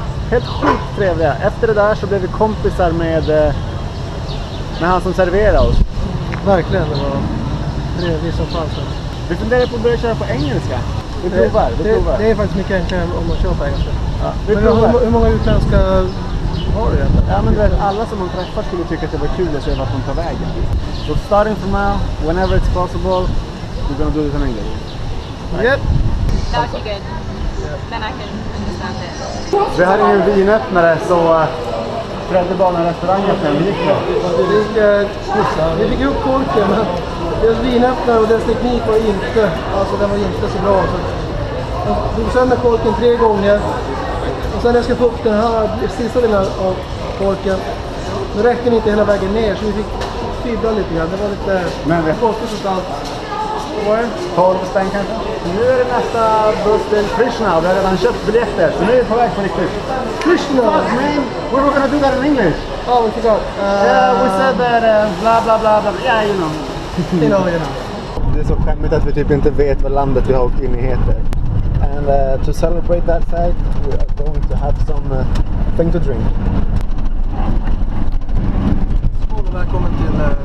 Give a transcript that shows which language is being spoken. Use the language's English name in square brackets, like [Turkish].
[Swedish] Helt sjukt trevliga. Efter det där så blev vi kompisar med han som serverar oss. Verkligen, det var trevligt som fanns. Vi funderar på att börja köra på engelska. Vi provar, det, det är faktiskt mycket enklare om man kör på engelska. Ja, vi provar. Hur många utländska har du egentligen? Ja, men vet, alla som man träffar skulle tycka att det var kul att se vart de tar vägen. [English] So starting from now, whenever it's possible, we're gonna do it in English. Right? Yep. That would be good. Yeah. Then I can understand it. [Swedish] Vi hade ju en vinöppnare, så... Fredde banarestaurangen sen, vi gick då. Vi fick upp korken, men deras vinöppnare och deras teknik var inte, alltså den var inte så bra. Så vi tog sönder korken 3 gånger. Och sen när jag ska få upp den här sista delen av korken, då räckte den inte hela vägen ner, så vi fick fibra lite grann. Det var lite kostigt och allt. Vad är det? 12 stäng kanske. Nu är det nästa buss till Krishna. Vi har redan köpt biljetter, så nu är vi på väg på riktigt. Krishna! [English] We're gonna do that in English. Oh, we forgot. Yeah, we said that blah blah blah blah. Yeah, you know. You know, you know. [Swedish] Det är så skämmigt att vi typ inte vet vad landet vi har åkt in i heter. [English] And to celebrate that fact, we are going to have some thing to drink. [Swedish] Skål och välkommen till...